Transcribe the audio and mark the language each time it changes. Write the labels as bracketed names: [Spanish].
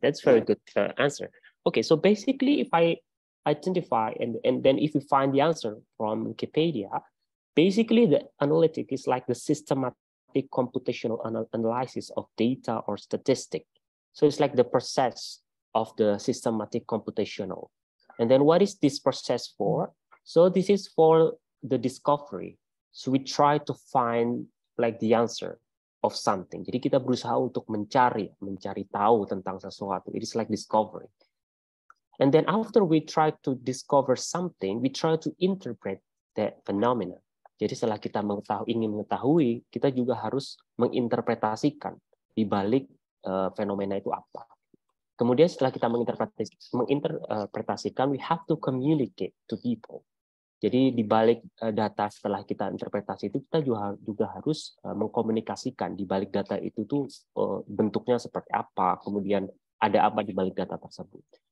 [English] That's very good answer. Okay, so basically, if I identify and then if you find the answer from Wikipedia, basically the analytic is like the systematic computational analysis of data or statistic. So it's like the process of the systematic computational. And then what is this process for? So this is for the discovery. So we try to find like the answer of something. [Indonesian] Jadi kita berusaha untuk mencari tahu tentang sesuatu. [English] It is like discovery. And then after we try to discover something, we try to interpret that phenomena. [Indonesian] Jadi setelah kita ingin mengetahui, kita juga harus menginterpretasikan di balik fenomena itu apa. Kemudian setelah kita menginterpretasikan, [English] we have to communicate to people. [Indonesian] Jadi di balik data setelah kita interpretasi itu, kita juga harus mengkomunikasikan di balik data itu tuh bentuknya seperti apa, kemudian ada apa di balik data tersebut.